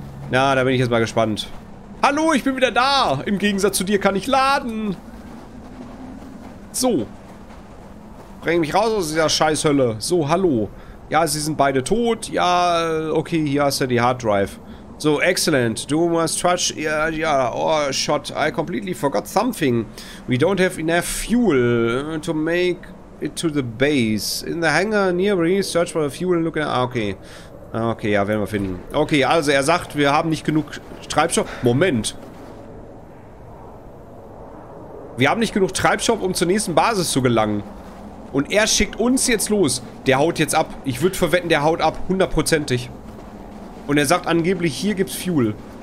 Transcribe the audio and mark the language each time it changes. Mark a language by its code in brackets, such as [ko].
[de] Na, da bin ich jetzt mal gespannt. Hallo, ich bin wieder da. Im Gegensatz zu dir kann ich laden. So. Bring mich raus aus dieser Scheißhölle. So, hallo. Ja, sie sind beide tot. Ja, okay, hier hast du die Hard Drive. So, excellent. Du musst touch. Ja, ja. [en] Oh, shot. I completely forgot something. We don't have enough fuel to make it to the base. In the hangar nearby, search for the fuel and look at... Ah, okay. [de] Okay, ja, werden wir finden. Okay, also er sagt, wir haben nicht genug Treibstoff. Moment. Wir haben nicht genug Treibstoff, um zur nächsten Basis zu gelangen. Und er schickt uns jetzt los. Der haut jetzt ab. Ich würde verwetten, der haut ab. Hundertprozentig. Und er sagt angeblich, hier gibt's Fuel.